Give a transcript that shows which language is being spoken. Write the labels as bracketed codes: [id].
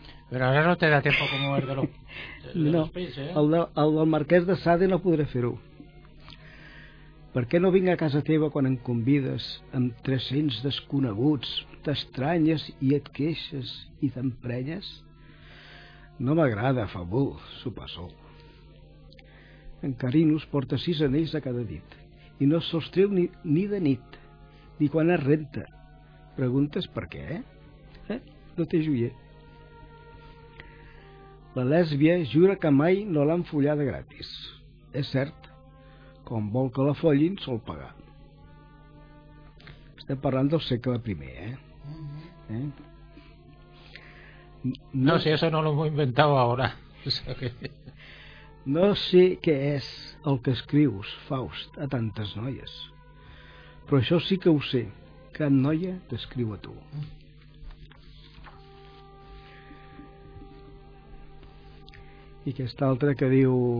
[ca] Però ara [es] no te da tiempo como el de los pies, no, eh? [ca] El del marquès de Sade no podré fer-ho. Per què no vinc a casa teva quan em convides amb 300 desconeguts, t'estranyes i et queixes i t'emprenyes? No m'agrada, Fabul, sopar sol. En Carinus porta 6 anells a cada dit i no se'ls treu ni de nit, ni quan es renta. Preguntes per què, eh? No té joier. La lèsbia jura que mai no l'han follada gratis. És cert, com vol que la follin, sol pagar. Estem parlant del segle primer, eh? [es] No, no, si eso no lo hemos inventado ahora. [ca] No sé què és el que escrius, Faust, a tantes noies. Però això sí que ho sé, que en noia t'escriu a tu. I aquesta altra que diu...